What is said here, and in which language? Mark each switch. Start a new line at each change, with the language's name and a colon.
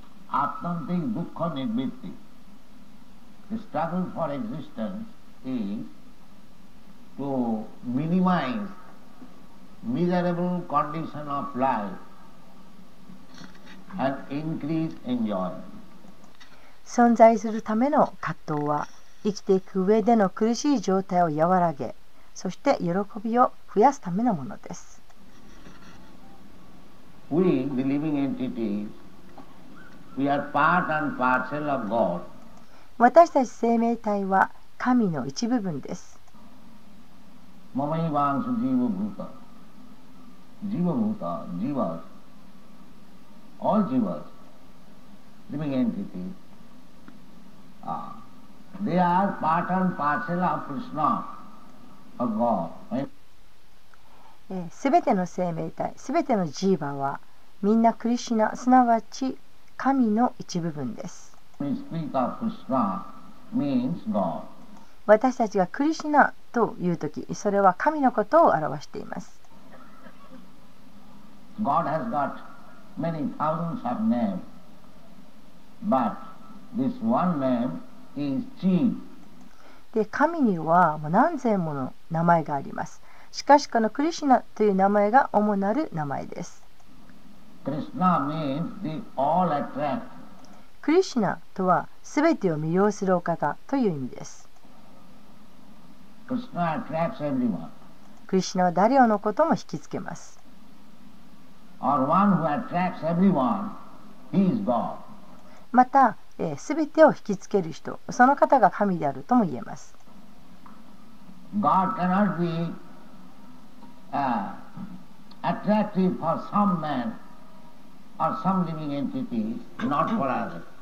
Sanskrit: Atmanti Dukkha Nibbitti.
English: The struggle for existence is to minimize miserable condition of life. And increase enjoy.
Japanese: 存在するための葛藤は、生きていく上での苦しい状態を和らげ、そして喜びを増やすためのものです。
English: We, the living entities, we are part and parcel of God.
Japanese: 私たち生命体は神の一部分です。
Sanskrit: ママイバンスジーヴブータ、ジーヴブータ、ジーヴァス。
English: All jivas, living entities, they are part and parcel of Krishna, of God.
Japanese: すべての生命体、すべてのジーバは、みんなクリシナ、すなわち神の一部分です。
English: We speak of Krishna means God.
Japanese: 私たちがクリシナというとき、それは神のことを表しています。
English: God has got many thousands of names, but this one name is chief.
Japanese: で、神にはもう何千もの名前があります。しかしこのクリシナという名前が主なる名前です。
English: Krishna means the all attract.
Japanese: クリシナとはすべてを魅了するお方という意味です。
English: Krishna attracts everyone.
Japanese: クリシナは誰をのことも引きつけます。
English: Or one who attracts everyone, he is God.
Japanese: また、すべてを引きつける人、その方が神であるとも言えます。
English: God cannot be attractive for some man or some living entities, not for others.